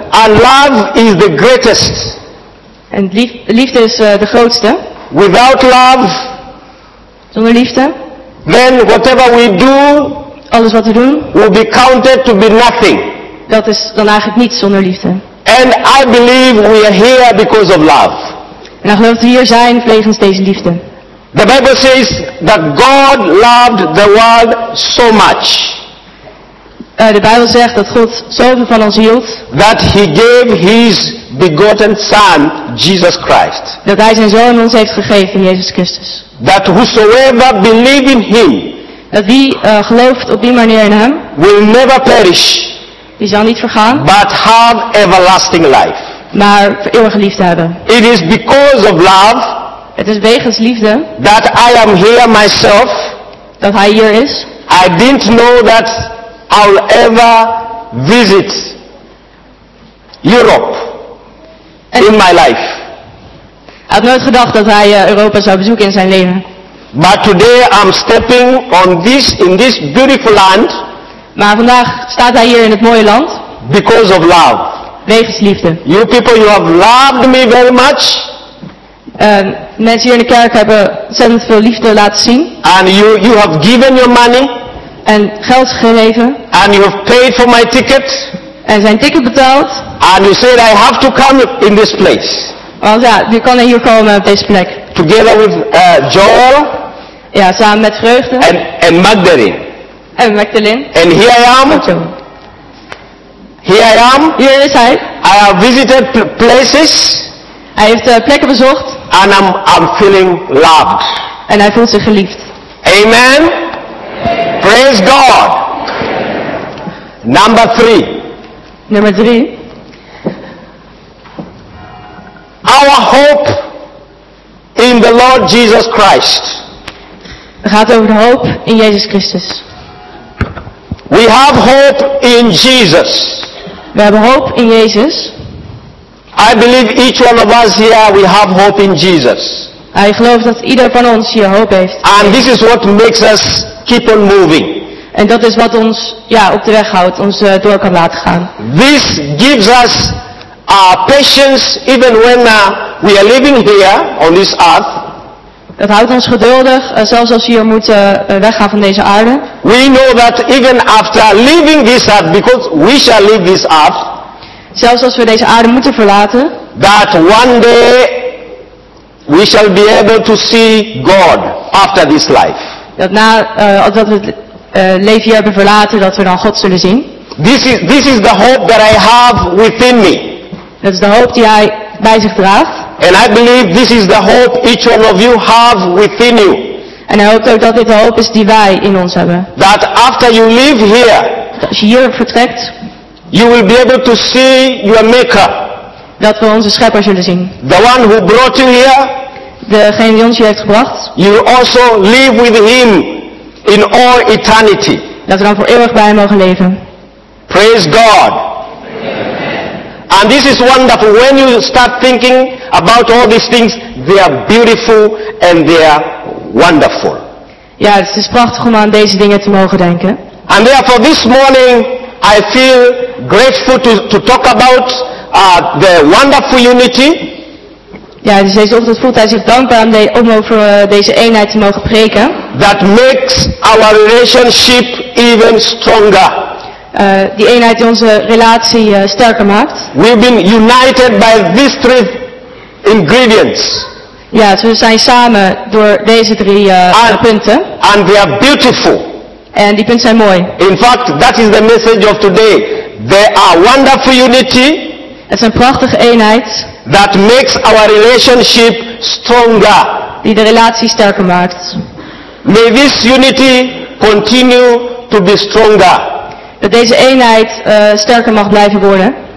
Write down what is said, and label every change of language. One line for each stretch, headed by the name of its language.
English: And love is the greatest.
Dutch: En liefde is de grootste.
English: Without love.
Dutch: Zonder liefde.
English: Then whatever we do.
Dutch: Alles wat we doen.
English: Will be counted to be nothing.
Dutch: Dat is dan eigenlijk niets zonder liefde.
English: And I believe we are here because of love.
Dutch: En ik geloof dat we hier zijn wegens deze liefde.
English: The Bible says that God loved the world so much.
Dutch: De Bijbel zegt dat God zoveel van ons hield.
English: That he gave his begotten son, Jesus Christ.
Dutch: Dat hij zijn zoon ons heeft gegeven, Jezus Christus.
English: That whosoever believes in him.
Dutch: Dat wie gelooft op die manier in hem.
English: Will never perish.
Dutch: Die zal niet vergaan.
English: But have everlasting life.
Dutch: Maar eeuwige liefde hebben.
English: It is because of love.
Dutch: Het is wegens liefde.
English: That I am here myself.
Dutch: Dat hij hier is.
English: I didn't know that I'll ever visit Europe en in my life.
Dutch: Hij had nooit gedacht dat hij Europa zou bezoeken in zijn leven.
English: But today I'm stepping on this in this beautiful land.
Dutch: Maar vandaag staat hij hier in het mooie land.
English: Because of love.
Dutch: Wegens liefde.
English: You people, you have loved me very much.
Dutch: Mensen hier in de kerk hebben ontzettend veel liefde laten zien.
English: And you have given your money.
Dutch: En geld gegeven.
English: And you have paid for my ticket.
Dutch: En zijn ticket betaald.
English: And you said I have to come in this place.
Dutch: Want ja, je kan hier komen op deze plek.
English: Together with Joel.
Dutch: Ja, samen met Vreugde.
English: And Magdalene.
Dutch: En Magdalene.
English: And here I am. Here I am.
Dutch: Hier is hij.
English: I have visited places.
Dutch: Hij heeft plekken bezocht.
English: And I'm feeling loved.
Dutch: En hij voelt zich geliefd.
English: Amen. Praise God. Number three.
Dutch: Nummer drie.
English: Our hope in the Lord Jesus Christ.
Dutch: Het gaat over de hoop in Jezus Christus.
English: We have hope in Jesus.
Dutch: We hebben hoop in Jezus.
English: I believe each one of us here we have hope in Jesus.
Dutch: Ik geloof dat ieder van ons hier hoop heeft.
English: And this is what makes us keep on moving.
Dutch: En dat is wat ons ja, op de weg houdt, ons door kan laten gaan.
English: This gives us our patience even when we are living here on this earth.
Dutch: Dat houdt ons geduldig, zelfs als we hier moeten weggaan van deze aarde.
English: We know that even after leaving this earth, because we shall leave this earth.
Dutch: Zelfs als we deze aarde moeten verlaten.
English: That one day we shall be able to see God after this life.
Dutch: Dat na dat we het leven hier hebben verlaten, dat we dan God zullen zien.
English: This is the hope that I have within me.
Dutch: Dat is de hoop die hij bij zich draagt.
English: And I believe this is the hope each one of you have within you.
Dutch: En ik hoop ook dat dit de hoop is die wij in ons hebben.
English: That after you leave here,
Dutch: dat als je hier vertrekt,
English: you will be able to see your maker.
Dutch: Dat we onze schepper zullen zien.
English: The one who brought you here,
Dutch: degene die ons hier heeft gebracht.
English: You will also live with him in all eternity.
Dutch: Dat we dan voor eeuwig bij hem mogen leven.
English: Praise God. And this is one that when you start thinking about all these things, they are beautiful and they are wonderful.
Dutch: Ja, het is prachtig om aan deze dingen te mogen denken.
English: And therefore this morning I feel grateful to talk about the wonderful unity.
Dutch: Ja, dus deze ochtend voelt hij zich dankbaar om over deze eenheid te mogen preken.
English: That makes our relationship even stronger.
Dutch: Die eenheid die onze relatie sterker maakt.
English: We've been united by these three ingredients.
Dutch: Ja, dus we zijn samen door deze drie punten.
English: And they are beautiful.
Dutch: En die punten zijn mooi.
English: In fact, that is the message of today. They are wonderful unity.
Dutch: Het is een prachtige eenheid.
English: That makes our relationship stronger.
Dutch: Die de relatie sterker maakt.
English: May this unity continue to be stronger.
Dutch: Dat deze eenheid sterker mag blijven worden.